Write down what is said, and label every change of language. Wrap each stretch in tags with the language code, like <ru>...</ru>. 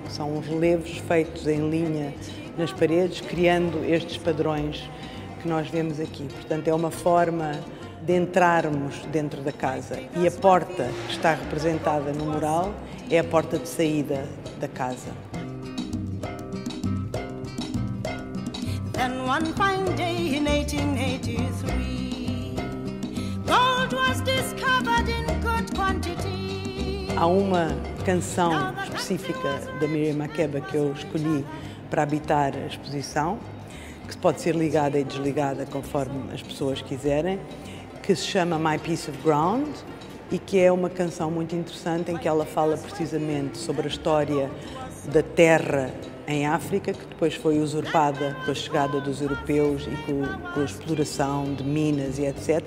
<pt>São os relevos feitos em linha nas paredes, criando estes padrões que nós vemos aqui. Portanto, é uma forma de entrarmos dentro da casa. E a porta que está representada no mural é a porta de saída da casa.</pt> <en>Then one fine day in 1883, gold was discovered in good quantity.</en> <pt>Há uma canção específica da Miriam Makeba que eu escolhi para habitar a exposição, que pode ser ligada e desligada conforme as pessoas quiserem, que se chama My Piece of Ground e que é uma canção muito interessante em que ela fala precisamente sobre a história da terra em África, que depois foi usurpada com a chegada dos europeus e com a exploração de minas e etc.</pt>